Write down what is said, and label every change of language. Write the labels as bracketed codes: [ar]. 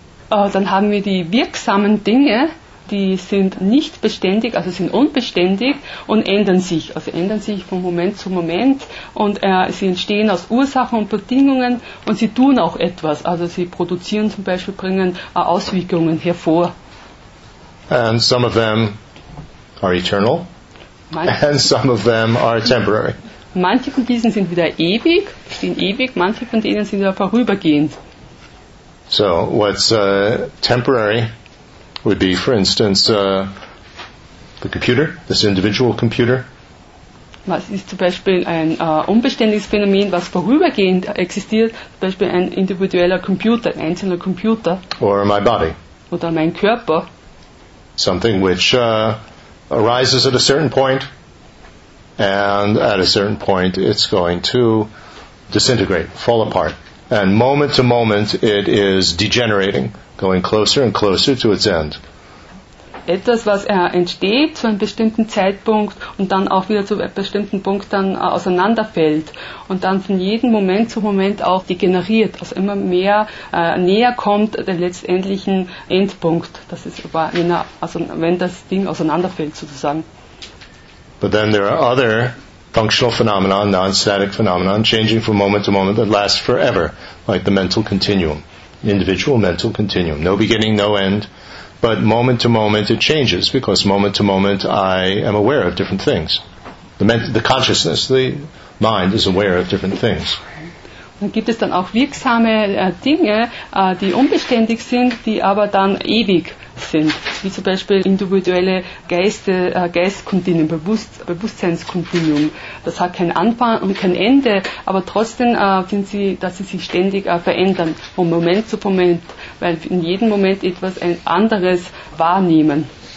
[de] Dann haben wir die wirksamen Dinge, die sind nicht beständig, also sind unbeständig und ändern sich. Also ändern sich von Moment zu Moment und sie entstehen aus Ursachen und Bedingungen und sie tun auch etwas. Also sie produzieren zum Beispiel, bringen Auswirkungen hervor. [en] And some of them are eternal and some of them are temporary. [de] Manche von diesen sind wieder ewig, stehen ewig, manche von denen sind ja vorübergehend. [en] So, what's temporary would be, for instance, the computer, this individual computer. [de] Was ist zum Beispiel ein unbeständiges Phänomen, was vorübergehend existiert? Zum Beispiel ein individueller Computer, ein einzelner Computer. [en] Or my body. [de] Oder mein Körper. [en] Something which arises at a certain point, and at a certain point it's going to disintegrate, fall apart. And moment to moment, it is degenerating, going closer and closer to its end. [de] Etwas, was entsteht zu einem bestimmten Zeitpunkt und dann auch wieder zu einem bestimmten Punkt dann auseinanderfällt und dann von jedem Moment zu Moment auch degeneriert, also immer mehr näher kommt der letztendlichen Endpunkt. Das ist aber wenn das Ding auseinanderfällt sozusagen. [en] But then there are other functional phenomena, non-static phenomena, changing from moment to moment that last forever, like the mental continuum, individual mental continuum. No beginning, no end, but moment to moment it changes, because moment to moment I am aware of different things. The consciousness, the mind, is aware of different things. [de] Dann gibt es dann auch wirksame Dinge, die unbeständig sind, die aber dann ewig sind, wie zum Beispiel individuelle Geiste, Geistkontinuum, Bewusstseinskontinuum. Das hat keinen Anfang und kein Ende, aber trotzdem sind sie, dass sie sich ständig verändern, von Moment zu Moment, weil in jedem Moment etwas ein anderes wahrnehmen.